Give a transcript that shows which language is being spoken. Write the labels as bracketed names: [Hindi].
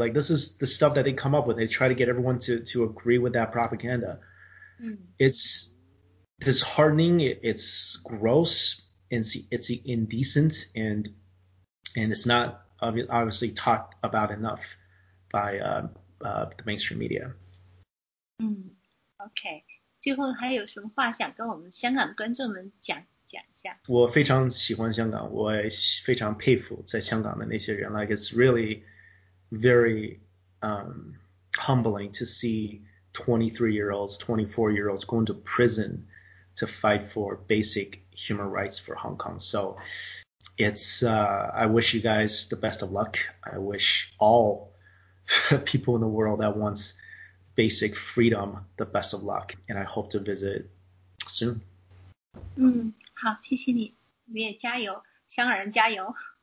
[English] Like this is the stuff that they come up with. They try to get everyone to agree with that propaganda. It's disheartening, it's gross, it's indecent, and it's not obviously talked about enough by the mainstream media. Okay. [Chinese] 最后还有什么话想跟我们香港的观众们讲一下？我非常喜欢香港，我也非常佩服在香港的那些人。 [English] Like it's really very humbling to see 23-year-olds, 24-year-olds going to prison. To fight for basic human rights for Hong Kong. So I wish you guys the best of luck. I wish all people in the world that wants basic freedom the best of luck. And I hope to visit soon. [Chinese] 好，谢谢你，你也加油，香港人加油。